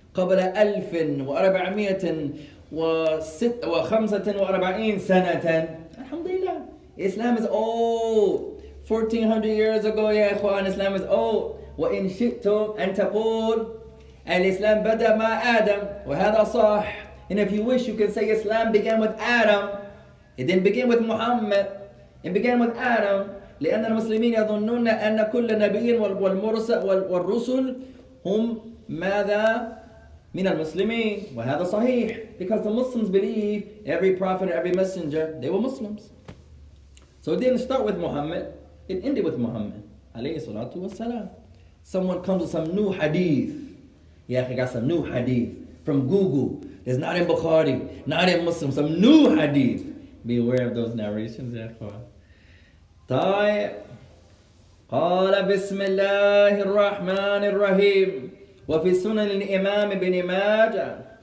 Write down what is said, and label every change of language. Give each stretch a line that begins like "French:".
Arabic: قَبْلَ أَلْفٍ وَأَرَبْعَمِيَةٍ وَخَمْسَةٍ وَأَرَبْعَئِينَ سَنَةً. Alhamdulillah.
English: Islam is old. 1400 years ago, ya ikhwan, Islam is old.
Arabic: وَإِن شِئْتُمْ أَن تَقُولُ الْإِسْلَامُ بَدَأَ مَعَ آدَمَ وَهَذَا صَحِّ.
English: And if you wish, you can say Islam began with Adam. It didn't begin with Muhammad. It began with Adam.
Arabic: لأن المسلمين يظنون أن كل نبي والمرسل والرسل هم ماذا من المسلمين وهذا صحيح.
English: Because the Muslims believe every prophet and every messenger, they were Muslims. So it didn't start with Muhammad. It ended with Muhammad
Arabic: عليه الصلاة والسلام.
English: Someone comes with some new hadith. Yeah, he got some new hadith from Google. It's not in Bukhari, not in Muslim, some new hadith. Beware of those narrations, therefore.
Arabic: طيب قال بسم الله الرحمن الرحيم وفي سنن الإمام ابن ماجه.